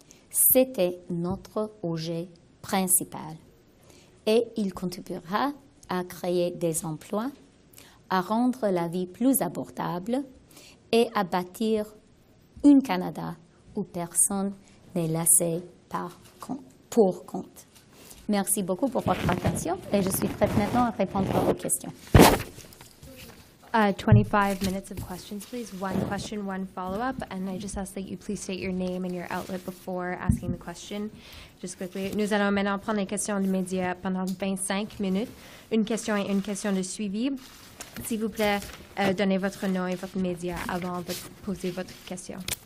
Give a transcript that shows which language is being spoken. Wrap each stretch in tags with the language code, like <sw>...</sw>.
<fr>C'était notre objet principal et il contribuera à créer des emplois, à rendre la vie plus abordable et à bâtir un Canada où personne n'est laissé pour compte. Merci beaucoup pour votre attention et je suis prête maintenant à répondre à vos questions.</fr> <en>25 minutes of questions, please. One question, one follow-up, and I just ask that you please state your name and your outlet before asking the question. Just quickly,</en> <fr>nous allons maintenant prendre les questions des médias pendant 25 minutes. Une question et une question de suivi. S'il vous plaît, donnez votre nom et votre média avant de poser votre question.</fr>